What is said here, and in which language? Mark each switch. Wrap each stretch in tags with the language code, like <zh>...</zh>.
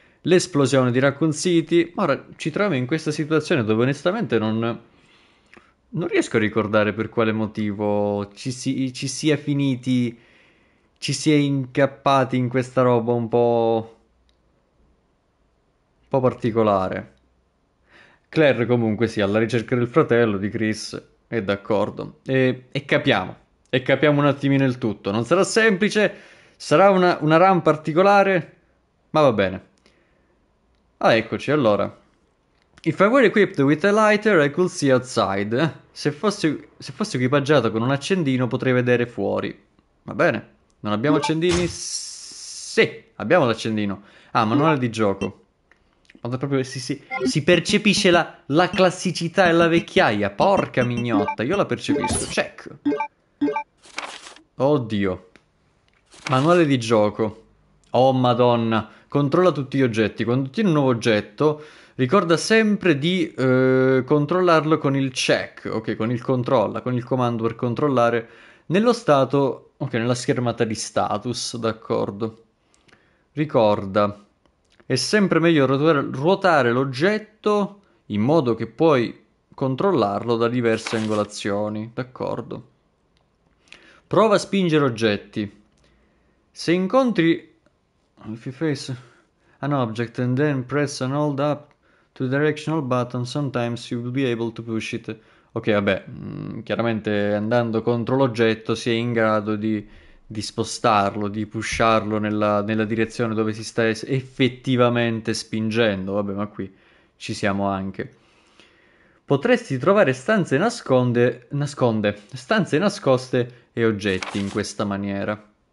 <it>L'esplosione di Raccoon City. Ora ci troviamo in questa situazione dove onestamente non riesco a ricordare per quale motivo ci si è incappati in questa roba un po' particolare. Claire comunque sì, alla ricerca del fratello di Chris, è d'accordo. E capiamo un attimino il tutto. Non sarà semplice, sarà una run particolare, ma va bene. Ah, eccoci, allora.</it> <en>If I were equipped with a lighter, I could see outside.</en> <it>Se fossi equipaggiato con un accendino, potrei vedere fuori. Va bene. Non abbiamo accendini? Sì, abbiamo l'accendino. Ah, manuale di gioco. Quando proprio si percepisce la classicità e la vecchiaia. Porca mignotta, io la percepisco. Check. Oddio. Manuale di gioco. Oh, madonna. Controlla tutti gli oggetti. Quando ottieni un nuovo oggetto, ricorda sempre di controllarlo con il check. Ok, con il controlla, con il comando per controllare. Nello stato... Ok, nella schermata di status, d'accordo. Ricorda. È sempre meglio ruotare l'oggetto in modo che puoi controllarlo da diverse angolazioni. D'accordo. Prova a spingere oggetti. Se incontri...</it> <en>If you face an object and then press and hold up to directional button, sometimes you will be able to push it.</en> <it>Ok, vabbè, chiaramente andando contro l'oggetto si è in grado di spostarlo, di pusharlo nella direzione dove si sta effettivamente spingendo. Vabbè, ma qui ci siamo anche. Potresti trovare stanze nasconde, stanze nascoste e oggetti in questa maniera.</it>